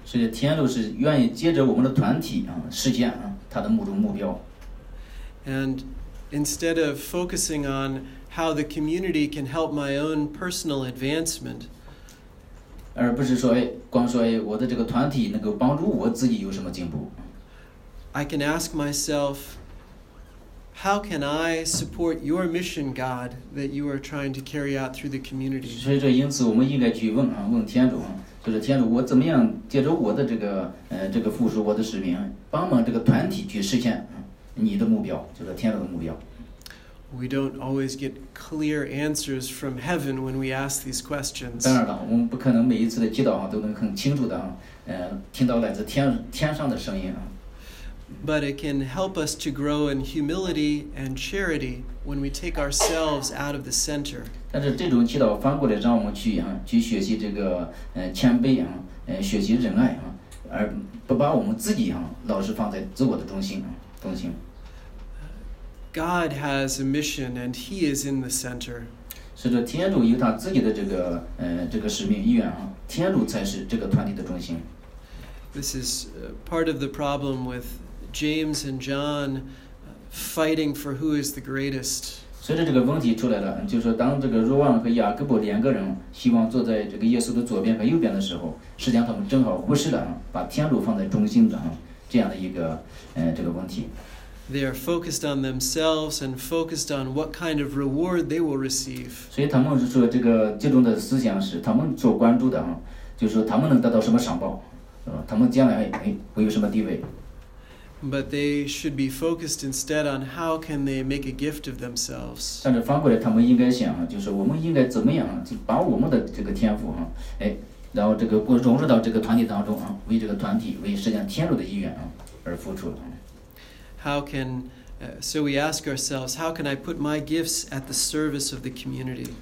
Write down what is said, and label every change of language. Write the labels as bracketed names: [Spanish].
[Chinese] 所以天主是愿意借着我们的团体实现他的某种目标。 [English] And instead of focusing on how the community can help my own personal advancement, [Chinese] 而不是说光说我的这个团体能够帮助我自己有什么进步。 [English] I can ask myself, how can I support your mission, God, that you are trying to carry out through the community? [Chinese] 所以说，因此我们应该去问天主，就是天主，我怎么样借着我的这个这个付出，我的使命，帮忙这个团体去实现你的目标，就是天主的目标。 [English] We don't always get clear answers from heaven when we ask these questions. [Chinese] 当然了，我们不可能每一次的祈祷都能很清楚的听到来自天上的声音啊。 [English] But it can help us to grow in humility and charity when we take ourselves out of the center. [Chinese] 但是这种祈祷翻过来，让我们去学习这个谦卑学习仁爱而不把我们自己老是放在自我的中心。 [English] God has a mission, and He is in the center. [Chinese] 是的，天主有他自己的这个使命意愿天主才是这个团体的中心。 [English] This is part of the problem with James and John fighting for who is the greatest. [Chinese] 随着这个问题出来了，就是说当这个若望和雅各伯两个人希望坐在这个耶稣的左边和右边的时候，实际上他们正好忽视了把天主放在中心的这样的一个这个问题。 [English] They are focused on themselves and focused on what kind of reward they will receive. [Chinese] 所以他们说这个最终的思想是他们所关注的就是说他们能得到什么赏报，他们将来会有什么地位。 [English] But they should be focused instead on how can they make a gift of themselves. [Chinese] 但是反过来，他们应该想就是我们应该怎么样就把我们的这个天赋然后这个融入到这个团体当中为这个团体为实现天主的意愿而付出。 [English] How can so we ask ourselves, how can I put my gifts at the service of the community?